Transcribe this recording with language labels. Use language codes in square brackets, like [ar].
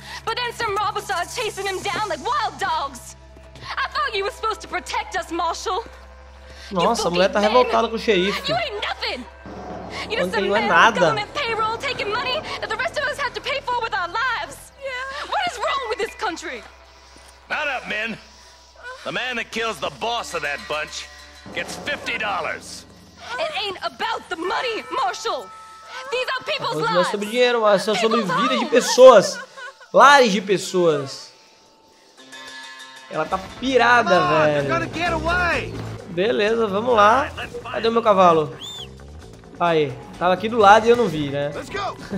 [en] But then some robbers started chasing him down like wild dogs. I thought you were supposed to protect us, Marshall. [pt] Nossa, a mulher tá revoltada com o xerife. [en] You ain't nothing. You're some man. [pt] Nada. [en] Government payroll, taking money that the rest of us have to pay for with our lives. Yeah. What is wrong with this country? Not up, men. The man that kills the boss of that bunch gets $50. It ain't about the money, Marshall. These are people's lives. [pt] Não é sobre dinheiro, mas é sobre vida de pessoas. Lares de pessoas. Ela tá pirada, [en] come on, [pt] velho. [en] You're gonna get away. [pt] Beleza, vamos lá. Cadê o meu cavalo? Aí, tava aqui do lado e eu não vi, né? [en] Let's go.